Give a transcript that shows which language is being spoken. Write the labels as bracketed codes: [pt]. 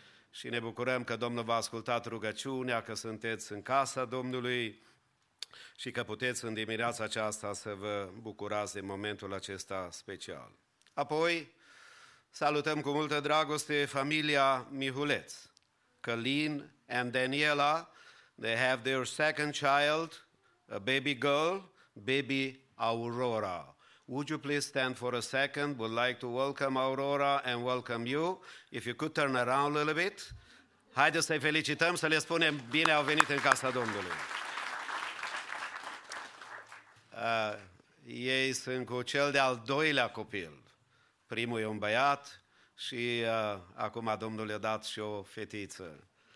[ro] Și ne bucurăm că Domnul v-a ascultat rugăciunea, că sunteți în casa Domnului și că puteți în dimineața aceasta să vă bucurați de momentul acesta special. Apoi, salutăm cu multă dragoste familia Mihuleț, Călin and Daniela. [en] They have their second child, a baby girl, baby Aurora. Would you please stand for a second? We'd like to welcome Aurora and welcome you. If you could turn around a little bit. [ro] Haideți să-i felicităm, să le spunem bine au venit în casa Domnului. Ei sunt cu cel de-al doilea copil. Primul e un băiat și acum Domnul i-a dat și o fetiță.